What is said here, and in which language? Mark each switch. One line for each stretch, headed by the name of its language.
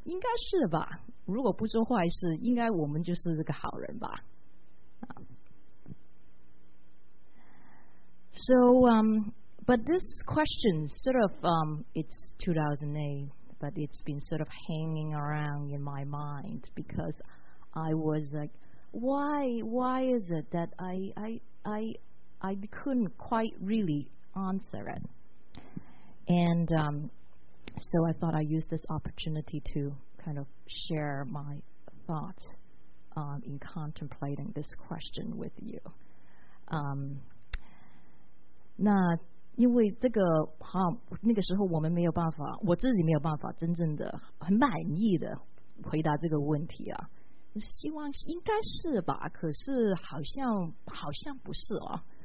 Chinese: 应该是吧，如果不做坏事，应该我们就是这个好人吧。
English: So, but this question sort of, it's 2008, but it's been sort of hanging around in my mind because I was like, why is it that I couldn't quite really answer it? And so I thought I'd use this opportunity to kind of share my thoughts in contemplating this question with you.
Chinese: 那因为这个哈，那个时候我们没有办法，我自己没有办法真正的很满意的回答这个问题啊。希望应该是吧，可是好像不是哦。